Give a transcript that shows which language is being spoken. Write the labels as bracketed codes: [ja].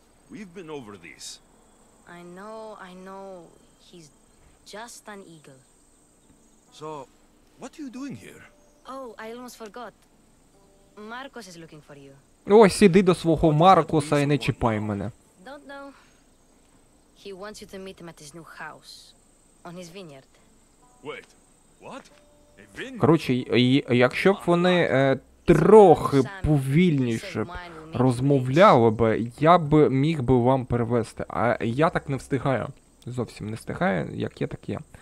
[en] We've been over this. I know. He's just an eagle. So... What are you doing here? Oh, I almost forgot. Marcos is looking for you. [uk] Ось, іди до свого Маркоса і не чіпай мене. [en] Don't know. He wants you to meet him at his new house. On his vineyard. Wait, what? A vineyard? [uk] Короче, якщо б вони трохи повільніше б розмовляли б, я б міг би вам перевести. А я так не встигаю. Зовсім не встигаю, як є, так є.